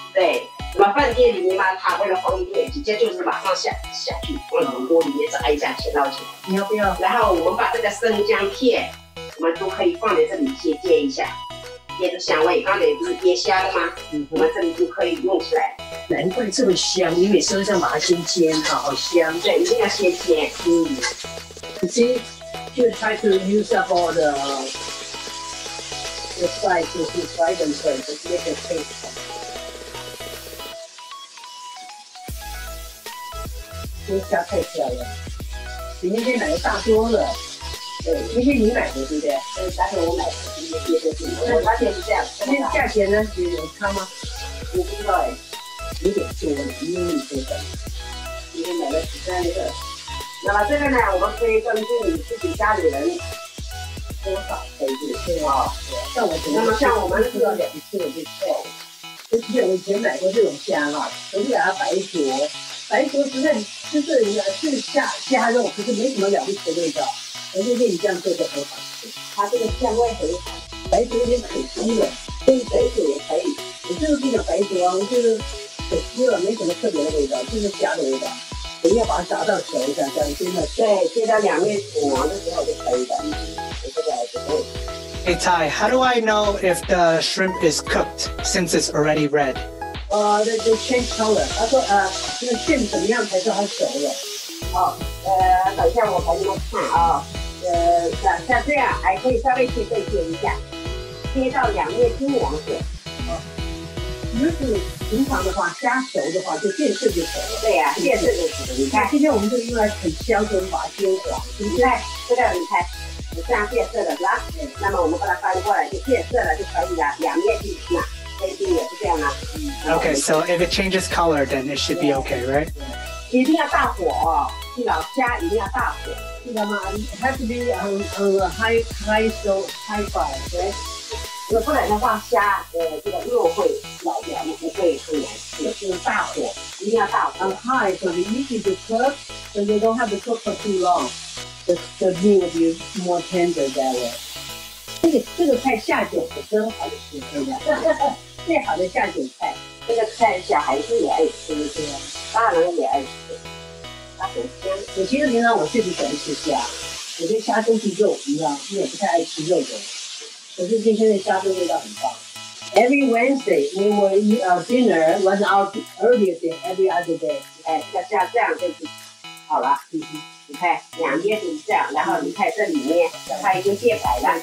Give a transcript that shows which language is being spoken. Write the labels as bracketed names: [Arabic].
[Chinese] 对，我们饭店里面嘛，它为了方便，直接就是马上下去，往锅里面炸一下，切到去。你要不要？然后我们把这个生姜片，我们都可以放在这里先煎一下。腌的香味，刚才不是腌香了吗？嗯，我们这里就可以用起来。难怪这么香，因为生姜把它先煎，好香。对，一定要先煎。嗯。 [English] You see, just try to use up all the spice to fry them first to get the taste. [Chinese] 都加太少了，比那些奶油大多了。对，那些你买的对不对？对，但是我买的是那些的。我的发现是这样，那价钱呢？有差吗？我不知道哎，有点多了，因为你这个，因为买的是这样的。那么这个呢，我们可以根据你自己家里人多少杯子，对吗？像我，那么像我们喝两次就够了。而且我以前买过这种虾嘛，都是拿白灼。白灼实在就是也是虾肉，可是没什么了不起的味道。我就建议这样做就很好，它这个香味很好。白灼有点可惜了，所以白灼也可以。我就是这个白灼啊，我就是可惜了，没什么特别的味道，就是虾的味道。我要把它炸到熟一下，这样真的。对，煎到两面煮完的时候就可以了。 [English] Hey Ty, how do I know if the shrimp is cooked since it's already red? They change color. [Chinese] 他说这个线怎么样才说它熟了？哦，等一下我帮你们看啊。像这样还可以稍微去再煎一下，煎到两面金黄色。如果平常的话，虾熟的话就变色就熟了。对呀、啊，变色就熟了。你看，今天我们就用来很香的把它煎黄。你来，这个你看。这样变色的是吧？那么我们把它翻过来就变色了就可以了，两面就行了。这边也是这样啊。 [English] Okay, so if it changes color, then it should be okay, right? [Chinese] 一定要大火哦，这老虾一定要大火，知道吗 [English] ？It has to be on a high fire, right? [Chinese] 因为不然的话，虾这个肉会老掉，不会很难吃。就是大火，一定要大火。 [English] On high, so it's easy to cook, so you don't have to cook for too long. The meat will be more tender that way. [Chinese] 这个菜下酒是真好的食材呀，最好的下酒菜。这个菜小孩子也爱吃，对吧？大人也爱吃，它很香。我其实平常我最不喜欢吃虾，我觉得虾都是肉，你知道，我也不太爱吃肉的。可是今天的虾的味道很棒。 [English] Every Wednesday, we will eat our dinner one hour earlier than every other day. [Chinese] 哎，这样就是好了。嗯，你看两边都是这样，然后你看这里面它已经变白了，